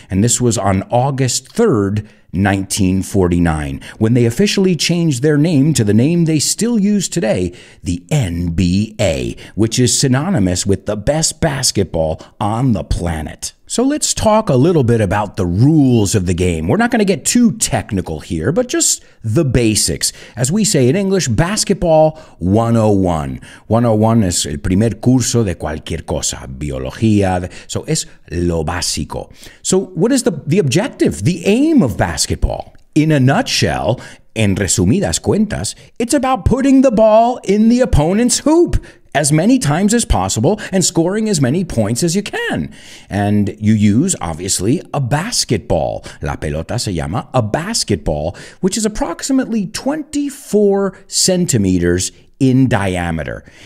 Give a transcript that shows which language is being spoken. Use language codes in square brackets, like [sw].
[en] And this was on August 3rd, 1949, when they officially changed their name to the name they still use today, the NBA, which is synonymous with the best basketball on the planet. So let's talk a little bit about the rules of the game. We're not going to get too technical here, but just the basics. As we say in English, basketball 101. [es] 101 is el primer curso de cualquier cosa, biología. So es lo básico. [en] So what is the objective, the aim of basketball? In a nutshell, [es] en resumidas cuentas, [en] it's about putting the ball in the opponent's hoop as many times as possible and scoring as many points as you can. And you use, obviously, a basketball. [es] La pelota se llama [en] a basketball, which is approximately 24 centimeters in diameter.